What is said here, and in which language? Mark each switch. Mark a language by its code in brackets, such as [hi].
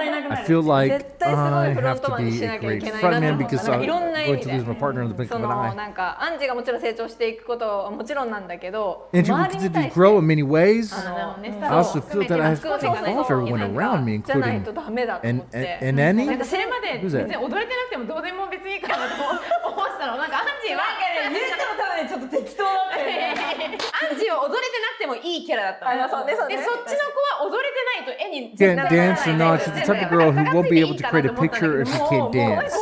[en] I feel like I have to be a great frontman because I'm going to lose my partner in the blink of an eye. [ja] Angie がもちろん成長していくことはもちろんなんだけど、 [en] Angie will continue to grow in many ways. I also feel that I have to involve everyone around me, including and any. Who's that? [ja] 踊れてなくてもどうでも別にいいかなと思ったの。なんか Angie は言っても多分ちょっと適当だった。Angie は踊れてなくてもいいキャラだった。そうね。でそっちの子は踊れてない。 [en] Can't dance or not, she's the type of girl who won't be able to create a picture if she can't dance.